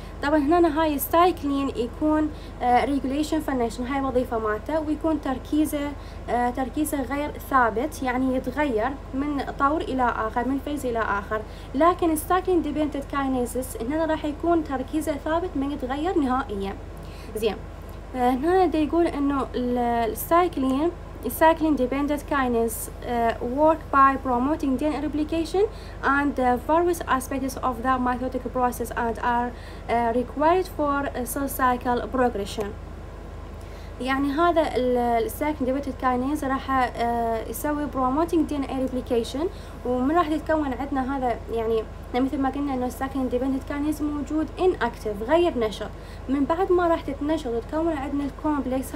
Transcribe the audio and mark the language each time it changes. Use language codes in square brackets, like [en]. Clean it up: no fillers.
[ar] طبعا هنا هاي السايكلين يكون ريجوليشن فانكشن، هاي وظيفة مالته، ويكون تركيزه غير ثابت، يعني يتغير من طور الى اخر، من فيز الى اخر. لكن السايكلين ديبندنت كاينيزس هنا راح يكون تركيزه ثابت ما يتغير نهائيا. زين هنا دا يقول انه السايكلين ديبندنت كاينيز [en] work by promoting DNA replication and various aspects of the mitotic process and are required for cell cycle progression. [ar] يعني هذا السايكلين ديبندنت كاينيز راح يسوي [en] promoting DNA replication، [ar] ومن راح يتكون عندنا هذا يعني مثل ما قلنا انه السايكلين ديبندنت كاينيز موجود inactive غير نشط، من بعد ما راح تتنشط وتكون عندنا الكومبلكس.